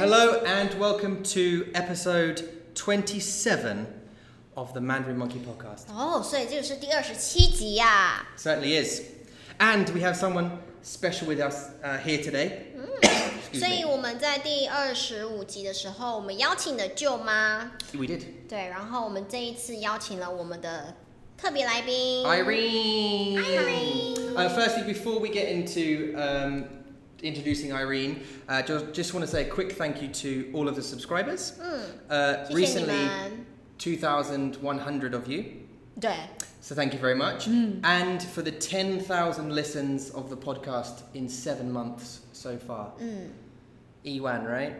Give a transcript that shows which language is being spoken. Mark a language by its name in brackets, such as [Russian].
[English] Hello and welcome to episode 27 of the Mandarin Monkey podcast. [Chinese] 哦，所以这个是第27集啊。 [English] Certainly is. And we have someone special with us here today. [Chinese] 所以我们在第25集的时候，我们邀请了舅妈。 [English] We did. [Chinese] 对，然后我们这一次邀请了我们的特别来宾 [English] Irene. Firstly, before we get into introducing Irene, just want to say a quick thank you to all of the subscribers. [Chinese] 谢谢你们 [English] 2,100 of you. [Chinese] 对。 [English] So thank you very much. And for the 10,000 listens of the podcast in 7 months so far. Ewan, right?